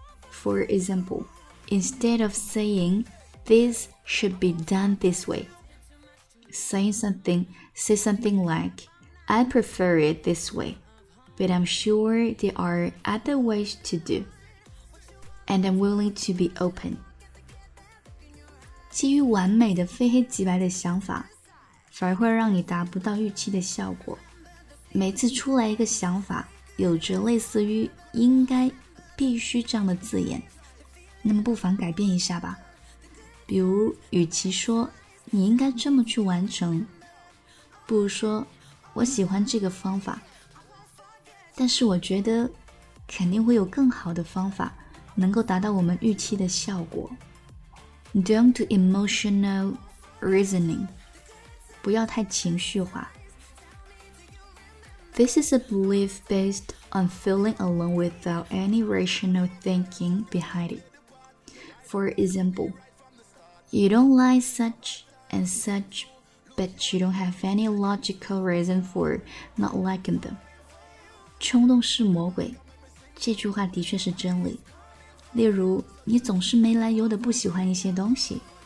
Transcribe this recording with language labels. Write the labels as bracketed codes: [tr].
[en] For example, instead of saying this should be done this way, say something like I prefer it this way. But I'm sure there are other ways to do. And I'm willing to be open. [zh] 基于完美的非黑即白的想法，反而会让你达不到预期的效果。每次出来一个想法，有着类似于应该、必须这样的字眼，那么不妨改变一下吧。比如，与其说你应该这么去完成，不如说我喜欢这个方法。但是我觉得肯定会有更好的方法能够达到我们预期的效果。 [en] Don't do emotional reasoning， [zh] 不要太情绪化。 [en] This is a belief based on feeling alone without any rational thinking behind it. For example, you don't like such and such, but you don't have any logical reason for not liking them. [zh] 冲动是魔鬼，这句话的确是真理。例如，你总是没来由的不喜欢一些东西，